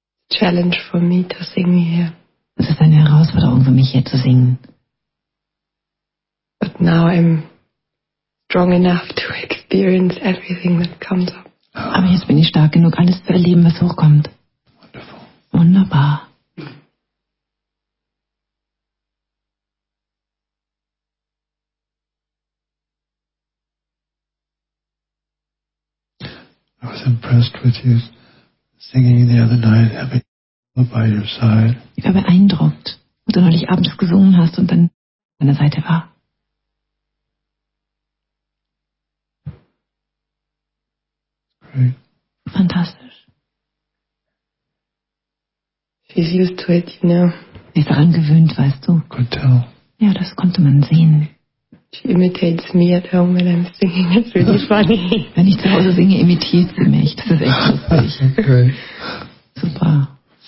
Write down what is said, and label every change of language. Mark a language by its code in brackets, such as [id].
[en] Challenge for me to sing here. [de] Es ist eine Herausforderung für mich, hier zu singen. [en] But now I'm strong enough to experience everything that comes up. [de] Aber jetzt bin ich stark genug, alles zu erleben, was hochkommt. [en] Wonderful. [de] Wunderbar. [en] I was impressed with you singing the other night, having by your side. [de] Ich war beeindruckt, wo du neulich abends gesungen hast und dann an deiner Seite war. [en] Great. [de] Fantastisch. [en] She's used to it, you know. [de] Sie ist daran gewöhnt, weißt du. [en] Could tell. [de] Ja, das konnte man sehen. [en] She imitates me at home when I'm singing. It's really funny. [de] Wenn ich zu Hause singe, imitiert sie mich. Das ist echt lustig. [en] Okay. [de] Super.